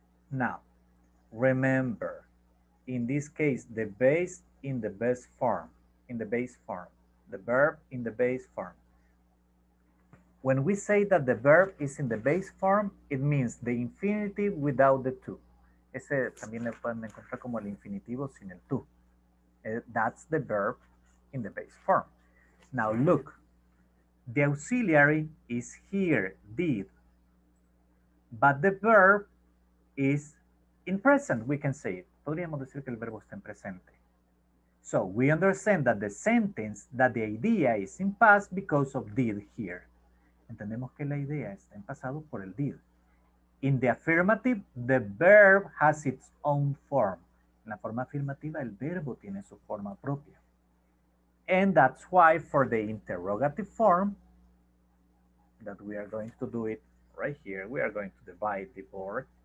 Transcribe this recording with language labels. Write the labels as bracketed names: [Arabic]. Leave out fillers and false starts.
[English] Now, remember, in this case, the base in the best form, in the base form. The verb in the base form. When we say that the verb is in the base form, it means the infinitive without the to. [Spanish] Ese también le pueden encontrar como el infinitivo sin el to. [English] That's the verb in the base form. Now look, the auxiliary is here, did. But the verb is in present, we can say it. [Spanish] Podríamos decir que el verbo está en presente. [English] So we understand that the sentence, that the idea is in past because of did here. [Spanish] Entendemos que la idea está en pasado por el did. [English] In the affirmative, the verb has its own form. [Spanish] En la forma afirmativa, el verbo tiene su forma propia. [English] And that's why for the interrogative form, that we are going to do it right here, we are going to divide the board.